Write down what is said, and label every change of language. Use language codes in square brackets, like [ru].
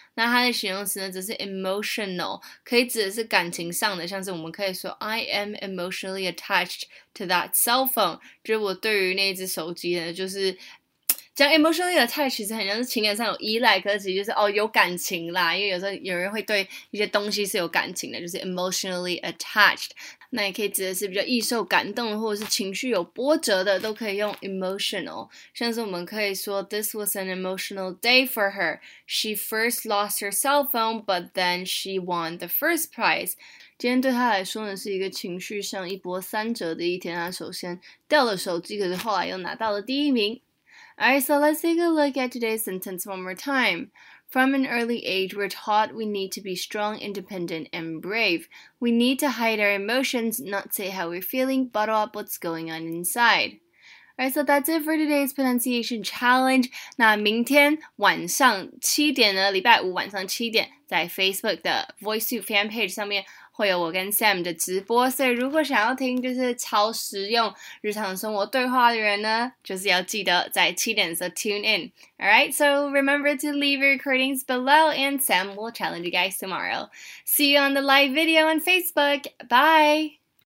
[zh] 那他的形容词呢则是 emotional， 可以指的是感情上的，像是我们可以说 [en] I am emotionally attached to that cell phone， [zh] 就是我对于那只手机呢，就是讲 emotionally attached 其实很像是情感上有依赖，可是其实就是哦有感情啦，因为有时候有人会对一些东西是有感情的，就是 emotionally attached。那也可以指的是比较易受感动或者是情绪有波折的，都可以用 emotional。 [en] 像是我们可以说 This was an emotional day for her. She first lost her cell phone, but then she won the first prize. [zh] 今天对她来说呢是一个情绪上一波三折的一天，她首先掉了手机，可是后来又拿到了第一名。 [en] Alright, so let's take a look at today's sentence one more time. From an early age, we're taught we need to be strong, independent, and brave. We need to hide our emotions, not say how we're feeling, bottle up what's going on inside. Alright, so that's it for today's pronunciation challenge. [zh] 那明天晚上七点呢，礼拜五晚上七点，在 Facebook 的 VoiceTube fan page 上面会有我跟 Sam 的直播，所以如果想要听就是超实用日常生活对话的人呢，就是要记得在七点的时候 [en] tune in. Alright, so remember to leave your recordings below and Sam will challenge you guys tomorrow. See you on the live video on Facebook. Bye!